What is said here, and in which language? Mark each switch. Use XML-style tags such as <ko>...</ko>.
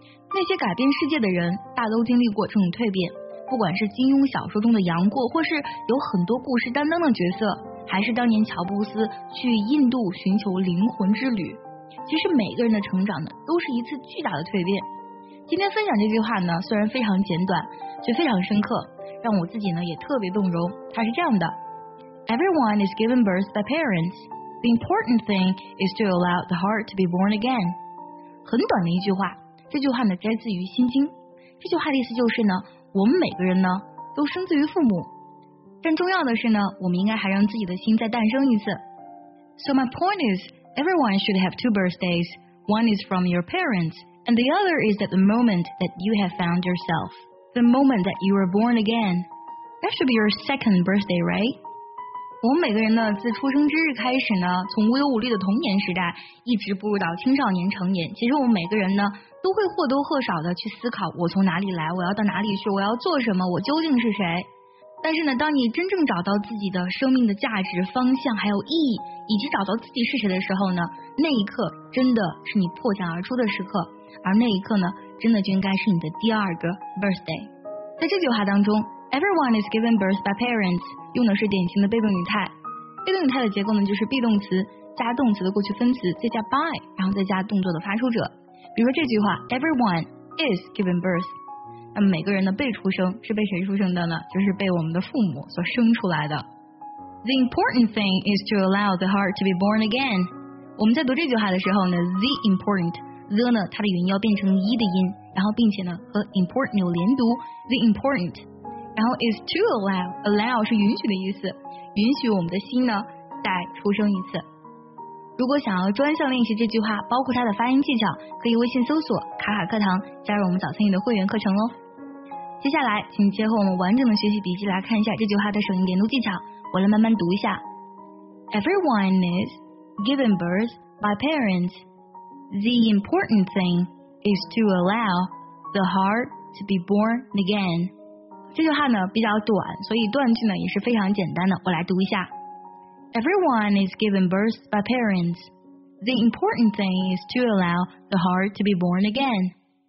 <zh>那些改变世界的人，大都经历过这种蜕变。不管是金庸小说中的杨过，或是有很多故事担当的角色，还是当年乔布斯去印度寻求灵魂之旅，其实每个人的成长呢，都是一次巨大的蜕变。今天分享这句话呢，虽然非常简短，却非常深刻，让我自己呢也特别动容。</zh> <en>它是这样的 ：Everyone is given birth by parents. The important thing is to allow the heart to be born again.</en> <zh>很短的一句话，这句话呢摘自于《心经》。这句话的意思就是呢，我们每个人呢都生自于父母，但重要的是呢，我们应该还让自己的心再诞生一次。</zh> <en>So my point is everyone should have two birthdays. One is from your parents and the other is at the moment that you have found yourself. The moment that you were born again. That should be your second birthday, right?</en> <zh>我们每个人呢，自出生之日开始呢，从无忧无虑的童年时代一直步入到青少年成年，其实我们每个人呢都会或多或少的去思考，我从哪里来，我要到哪里去，我要做什么，我究竟是谁。但是呢，当你真正找到自己的生命的价值、方向还有意义，以及找到自己是谁的时候呢，那一刻真的是你破茧而出的时刻，而那一刻呢，真的就应该是你的第二个 birthday。在这句话当中， everyone is given birth by parents 用的是典型的被动语态。被动语态的结构呢，就是 be 动词加动词的过去分词，再加 by， 然后再加动作的发出者。比如说这句话 everyone is given birth，那么每个人的被出生是被谁出生的呢？就是被我们的父母所生出来的。</zh> <en>The important thing is to allow the heart to be born again。</en> <zh>我们在读这句话的时候呢， the important， the 呢它的元音要变成一的音，然后并且呢和 important 有连读， the important。然后 is to allow 是允许的意思，允许我们的心呢再出生一次。如果想要专项练习这句话，包括它的发音技巧，可以微信搜索卡卡课堂，加入我们早餐语的会员课程哦。接下来请结合我们完整的学习笔记来看一下这句话的省音连读技巧，我来慢慢读一下。</zh> <en>Everyone is given birth by parents. The important thing is to allow the heart to be born again.</en> <zh>这句话呢比较短，所以断句呢也是非常简单的，我来读一下。</zh> <en>Everyone is given birth by parents. The important thing is to allow the heart to be born again.</en>